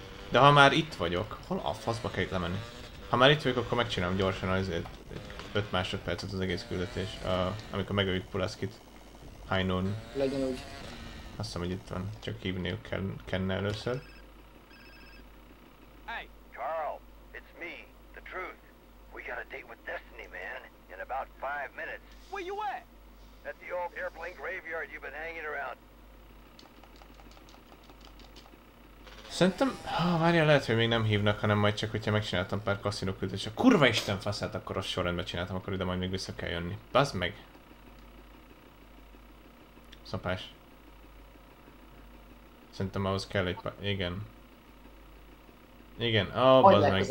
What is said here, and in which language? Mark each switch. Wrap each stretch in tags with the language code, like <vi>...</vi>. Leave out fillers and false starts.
<hu>De ha már itt vagyok, hol a faszba kell itt lemenni? Ha már itt vagyok, akkor megcsinálom gyorsan azért 5 másodpercet az egész küldetés, amikor megöljük Pulaskit.</hu> <en>High noon.</en> <hu>Legyen úgy. Azt hiszem, hogy itt van. Csak hívniuk kell Kenne először.</hu> <en>Hey, Carl, it's me, the truth. We got a date with Destiny, man, in about 5 minutes. Where you at? At the old airplane graveyard you've been hanging around.</en> <hu>Szerintem, várjál, lehet, hogy még nem hívnak, hanem majd csak, hogyha megcsináltam pár kaszinó küldetés. Kurva Isten faszát, akkor azt sorrendben csináltam, akkor ide majd még vissza kell jönni. Bazd meg! Szopás. Szerintem ahhoz kell egy pár... Igen. Igen, ó, bazd meg.</hu>